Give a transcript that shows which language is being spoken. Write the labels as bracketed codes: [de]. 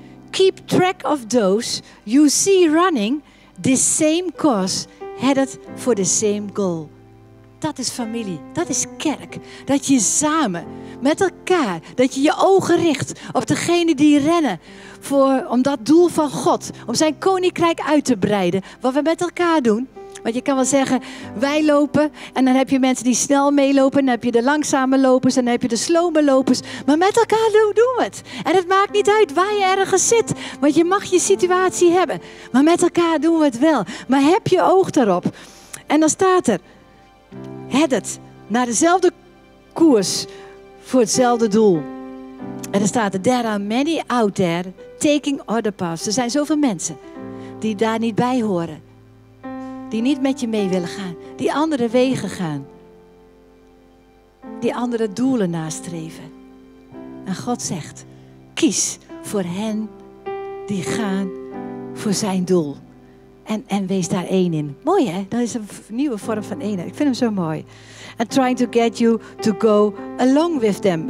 [en] Keep track of those you see running the same course headed for the same goal. [nl] Dat is familie. Dat is kerk. Dat je samen met elkaar, dat je je ogen richt op degene die rennen voor, om dat doel van God, om zijn koninkrijk uit te breiden. Wat we met elkaar doen. Want je kan wel zeggen, wij lopen en dan heb je mensen die snel meelopen. Dan heb je de langzame lopers en dan heb je de slome lopers. Maar met elkaar doen we het. En het maakt niet uit waar je ergens zit. Want je mag je situatie hebben. Maar met elkaar doen we het wel. Maar heb je oog erop. En dan staat er, headed naar dezelfde koers voor hetzelfde doel. En dan staat er, [en] there are many out there taking other paths. [nl] Er zijn zoveel mensen die daar niet bij horen. Die niet met je mee willen gaan. Die andere wegen gaan. Die andere doelen nastreven. En God zegt, kies voor hen die gaan voor zijn doel. En wees daar één in. Mooi hè? Dat is een nieuwe vorm van eenheid. Ik vind hem zo mooi. [en] And trying to get you to go along with them.